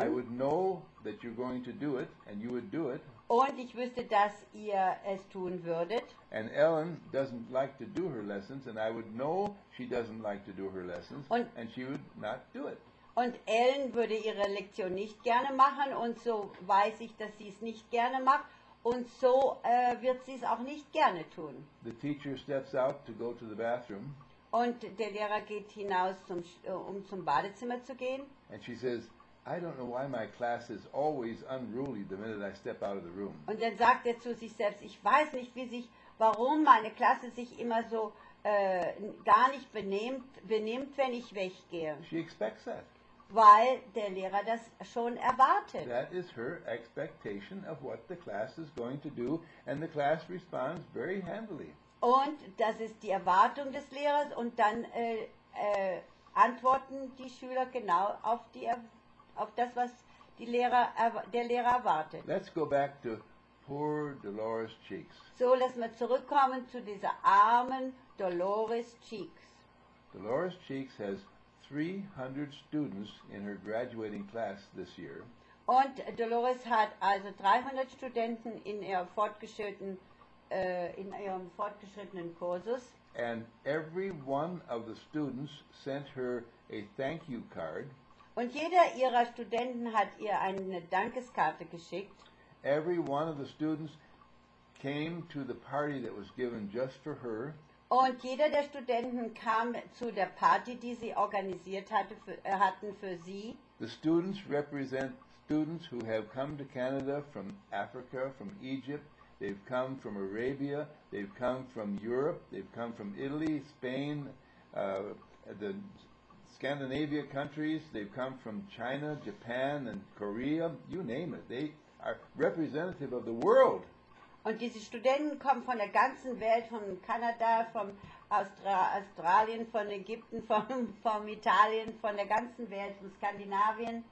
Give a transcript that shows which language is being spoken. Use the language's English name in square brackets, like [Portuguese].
[English] I would know that you're going to do it, and you would do it. [German] Und ich wüsste, dass ihr es tun würdet. [English] And Ellen doesn't like to do her lessons, and I would know she doesn't like to do her lessons, and she would not do it. [German] Und Ellen würde ihre Lektion nicht gerne machen, und so weiß ich, dass sie es nicht gerne macht, und so wird sie es auch nicht gerne tun. [English] The teacher steps out to go to the bathroom. [German] Und der Lehrer geht hinaus, um zum Badezimmer zu gehen. [English] And she says, I don't know why my class is always unruly the minute I step out of the room. [German] Und dann sagt er zu sich selbst, ich weiß nicht, warum meine Klasse sich immer so gar nicht benimmt, wenn ich weggehe. [English] She expects that. [German] Weil der Lehrer das schon erwartet. [English] That is her expectation of what the class is going to do, and the class responds very handily. [German] Und das ist die Erwartung des Lehrers, und dann antworten die Schüler genau auf das, was der Lehrer erwartet. [English] Let's go back to poor Dolores Cheeks. [German] So, lass mal zurückkommen zu dieser armen Dolores Cheeks. [English] Dolores Cheeks has 300 students in her graduating class this year. [German] Und Dolores hat also 300 Studenten in ihrem fortgeschrittenen Kursus. [English] And every one of the students sent her a thank you card. [German] Und jeder ihrer Studenten hat ihr eine Dankeskarte geschickt. [English] Every one of the students came to the party that was given just for her. [German] Und jeder der Studenten kam zu der Party, die sie organisiert hatten für sie. [English] The students represent students who have come to Canada from Africa, from Egypt. They've come from Arabia, they've come from Europe, they've come from Italy, Spain, the Scandinavia countries, they've come from China, Japan and Korea, you name it. They are representative of the world. [German] Und diese Studenten kommen von der ganzen Welt, von Kanada, von Australien, von Ägypten, von Italien, von der ganzen Welt, von Skandinavien.